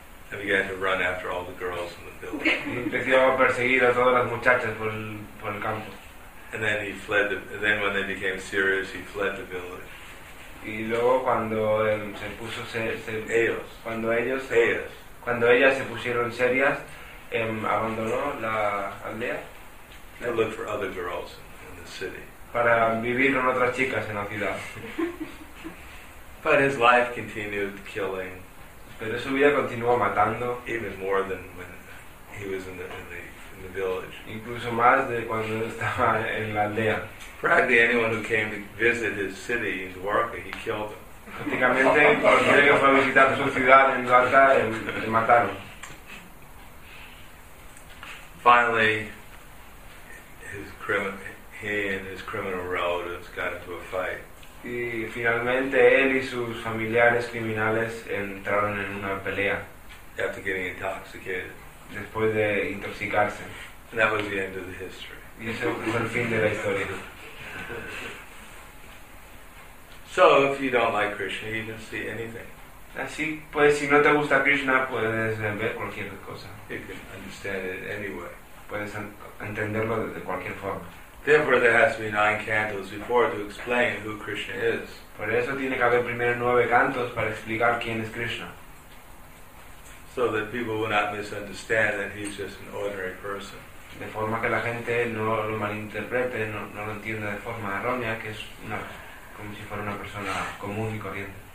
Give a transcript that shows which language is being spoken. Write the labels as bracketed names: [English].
[English] And began to run after all the girls in the village. [Spanish] Y empezó a perseguir a todas las muchachas por el campo. [English] And then he fled. Then when they became serious, he fled the village. [Spanish] Y luego cuando se puso cuando ellas se pusieron serias, abandonó la aldea. [English] To look for other girls in the city. [Spanish] Para vivir con otras chicas en la ciudad. [English] But his life continued killing. [Spanish] Pero su vida continuó matando. [English] Even more than when he was in the village. [Spanish] Incluso más de cuando estaba en la aldea. [English] Practically anyone who came to visit his city in Dwarka, he killed them. [Spanish] Prácticamente cualquiera que fue a visitar su ciudad en Dwarka, le mataron. [English] Finally, he and his criminal relatives got into a fight. [Spanish] Y finalmente él y sus familiares criminales entraron en una pelea. [English] After getting intoxicated. [Spanish] Después de intoxicarse. [English] And that was the end of the history. [Spanish] Y ese fue el fin de la historia. [English] So if you don't like Krishna, you can see anything. [Spanish] Así pues, si no te gusta Krishna, puedes ver cualquier cosa. [English] You can understand it anyway. [Spanish] Puedes entenderlo de cualquier forma. [English] Therefore, there has to be 9 cantos before to explain who Krishna is. [Spanish] Por eso tiene que haber primero 9 cantos para explicar quién es Krishna. [English] So that people will not misunderstand that he's just an ordinary person. [Spanish] De forma que la gente no lo malinterprete, no lo entienda de forma errónea, que es una, como si fuera una persona común y corriente.